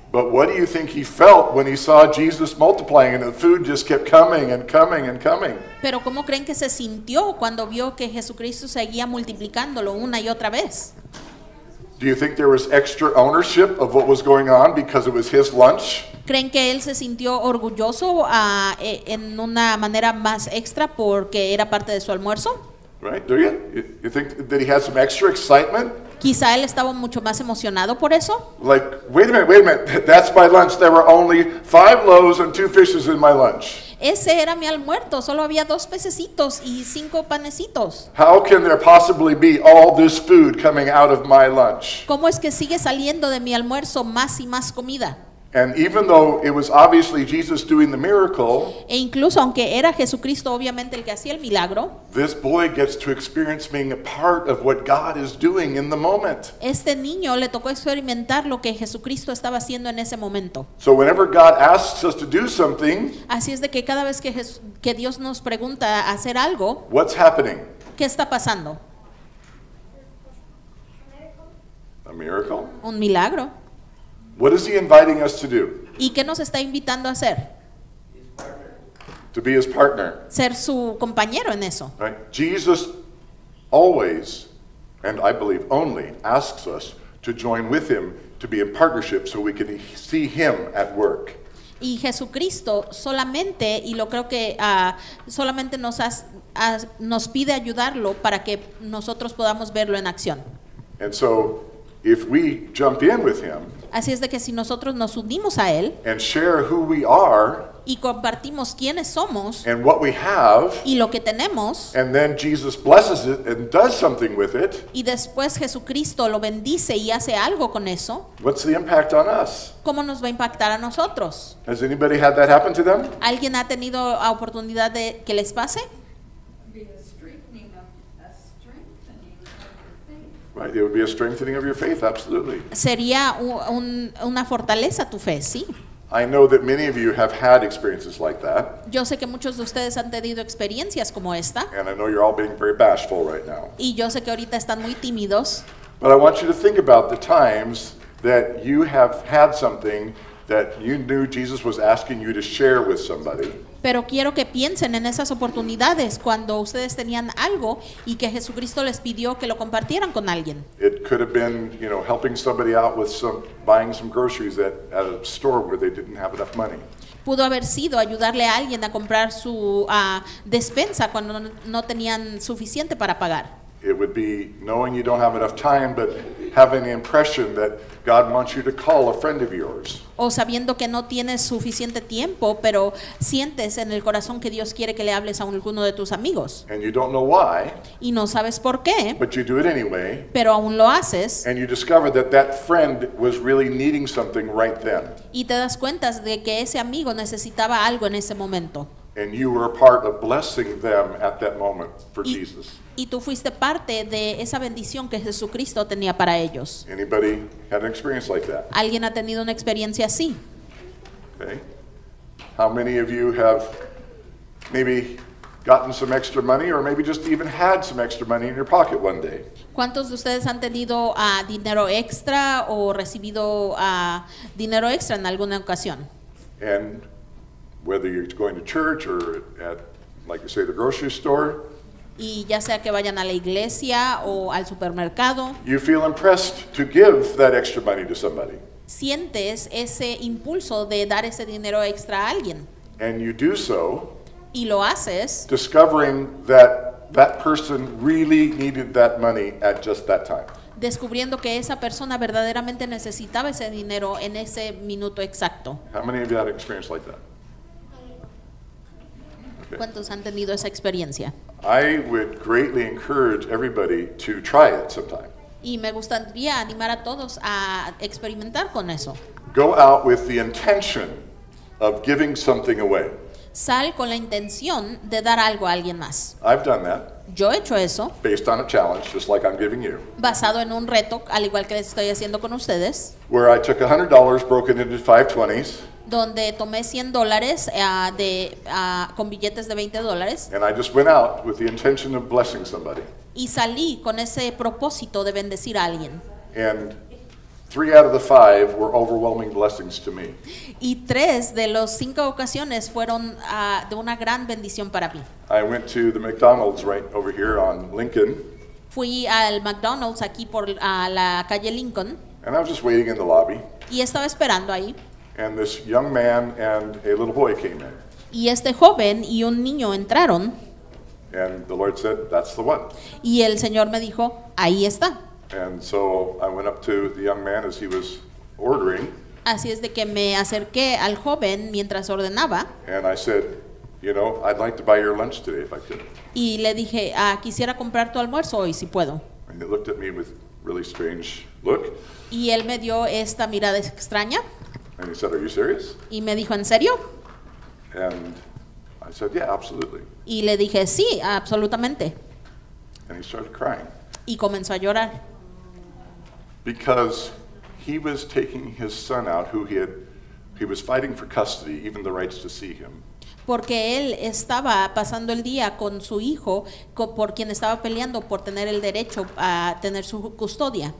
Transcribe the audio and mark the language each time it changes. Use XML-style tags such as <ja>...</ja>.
<en>But what do you think he felt when he saw Jesus multiplying and the food just kept coming and coming and coming?</en> <es>Pero ¿cómo creen que se sintió cuando vio que Jesucristo seguía multiplicándolo una y otra vez?</es> <en>Do you think there was extra ownership of what was going on because it was his lunch?</en> <es>¿Creen que él se sintió orgulloso en una manera más extra porque era parte de su almuerzo?</es> <en>Right, do you? You think that he had some extra excitement?</en> <es>Quizá él estaba mucho más emocionado por eso.</es> <en>Like, wait a minute, that's my lunch. There were only 5 loaves and 2 fishes in my lunch.</en> <es>Ese era mi almuerzo. Solo había 2 pececitos y 5 panecitos.</es> <en>How can there possibly be all this food coming out of my lunch?</en> <es>¿Cómo es que sigue saliendo de mi almuerzo más y más comida?</es> <en>And even though it was obviously Jesus doing the miracle,</en> <es>e incluso aunque era Jesucristo obviamente el que hacía el milagro,</es> <en>this boy gets to experience being a part of what God is doing in the moment.</en> <es>Este niño le tocó experimentar lo que Jesucristo estaba haciendo en ese momento.</es> <en>So whenever God asks us to do something,</en> <es>así es de que cada vez que Dios nos pregunta hacer algo,</es> <en>what's happening?</en> <es>¿Qué está pasando?</es> <en>A miracle?</en> <es>Un milagro.</es> <en>What is he inviting us to do?</en> <es>¿Y qué nos está invitando a hacer?</es> <en>To be his partner.</en> <es>Ser su compañero en eso.</es> <en>Right? Jesus always, and I believe only, asks us to join with him to be in partnership so we can see him at work.</en> <es>Y Jesucristo solamente, y lo creo que solamente nos pide ayudarlo para que nosotros podamos verlo en acción.</es> <en>And so, if we jump in with him,</en> <es>así es de que si nosotros nos unimos a él,</es> <en>and share who we are,</en> <es>y compartimos quiénes somos,</es> <en>and what we have,</en> <es>y lo que tenemos,</es> <en>and then Jesus blesses it and does something with it,</en> <es>y después Jesucristo lo bendice y hace algo con eso,</es> <en>what's the impact on us?</en> <es>¿Cómo nos va a impactar a nosotros?</es> <en>Has anybody had that happen to them?</en> <es>¿Alguien ha tenido la oportunidad de que les pase?</es> <en>Right, it would be a strengthening of your faith, absolutely.</en> <es>Sería una fortaleza tu fe, sí.</es> <en>I know that many of you have had experiences like that.</en> <es>Yo sé que muchos de ustedes han tenido experiencias como esta.</es> <en>And I know you're all being very bashful right now.</en> <es>Y yo sé que ahorita están muy tímidos.</es> <en>But I want you to think about the times that you have had something that you knew Jesus was asking you to share with somebody.</en> <es>Pero quiero que piensen en esas oportunidades cuando ustedes tenían algo y que Jesucristo les pidió que lo compartieran con alguien.</es> <en>It could have been, you know, helping somebody out with some buying some groceries at a store where they didn't have enough money.</en> <es>Pudo haber sido ayudarle a alguien a comprar su despensa cuando no tenían suficiente para pagar.</es> <en>It would be knowing you don't have enough time, but having the impression that God wants you to call a friend of yours.</en> <es>O sabiendo que no tienes suficiente tiempo, pero sientes en el corazón que Dios quiere que le hables a alguno de tus amigos.</es> <en>And you don't know why.</en> <es>Y no sabes por qué.</es> <en>But you do it anyway.</en> <es>Pero aún lo haces.</es> <en>And you discover that that friend was really needing something right then.</en> <es>Y te das cuenta de que ese amigo necesitaba algo en ese momento.</es> <en>And you were a part of blessing them at that moment for Jesus.</en> <es>Y tú fuiste parte de esa bendición que Jesucristo tenía para ellos.</es> <en>Anybody had an experience like that?</en> <es>¿Alguien ha tenido una experiencia así?</es> <en>Okay. How many of you have maybe gotten some extra money or maybe just even had some extra money in your pocket one day?</en> <es>¿Cuántos de ustedes han tenido dinero extra o recibido dinero extra en alguna ocasión?</es> <en>And whether you're going to church or at, like you say, the grocery store.</en> <es>Y ya sea que vayan a la iglesia o al supermercado.</es> <en>You feel impressed to give that extra money to somebody.</en> <es>Sientes ese impulso de dar ese dinero extra a alguien.</es> <en>And you do so.</en> <es>Y lo haces.</es> <en>Discovering that that person really needed that money at just that time.</en> <es>Descubriendo que esa persona verdaderamente necesitaba ese dinero en ese minuto exacto.</es> <en>How many of you had an experience like that?</en> <es>¿Cuántos han tenido esa experiencia?</es> <en>I would greatly encourage everybody to try it sometime.</en> <es>Y me gustaría animar a todos a experimentar con eso.</es> <en>Go out with the intention of giving something away.</en> <es>Sal con la intención de dar algo a alguien más.</es> <en>I've done that.</en> <es>Yo he hecho eso.</es> <en>Based on a challenge, just like I'm giving you.</en> <es>Basado en un reto, al igual que estoy haciendo con ustedes.</es> <en>Where I took $100 broken into 520s.</en> <es>Donde tomé $100 con billetes de $20.</es> <en>And I just went out with the intention of blessing somebody.</en> <es>Y salí con ese propósito de bendecir a alguien.</es> <en>And 3 out of the 5 were overwhelming blessings to me.</en> <es>Y 3 de las 5 ocasiones fueron de una gran bendición para mí.</es> <en>I went to the McDonald's right over here on Lincoln.</en> <es>Fui al McDonald's aquí por la calle Lincoln.</es> <en>And I was just waiting in the lobby.</en> <es>Y estaba esperando ahí.</es> <en>And this young man and a little boy came in.</en> <es>Y este joven y un niño entraron.</es> <en>And the Lord said, "That's the one."</en> <es>Y el Señor me dijo, "Ahí está."</es> <en>And so I went up to the young man as he was ordering.</en> <es>Así es de que me acerqué al joven mientras ordenaba.</es> <en>And I said, "You know, I'd like to buy your lunch today if I could."</en> <es>Y le dije, "Ah, quisiera comprar tu almuerzo hoy si puedo."</es> <en>And he looked at me with really strange look.</en> <es>Y él me dio esta mirada extraña.</es> <en>And he said, "Are you serious?"</en> <es>Y me dijo, "¿En serio?"</es> <en>And I said, "Yeah, absolutely."</en> <es>Y le dije, "Sí, absolutamente."</es> <en>And he started crying.</en> <es>Y comenzó a llorar.</es> <en>Because he was taking his son out, who he was fighting for custody, even the rights to see him.</en> <es>Porque él estaba pasando el día con su hijo, por quien estaba peleando por tener el derecho a tener su custodia.</es>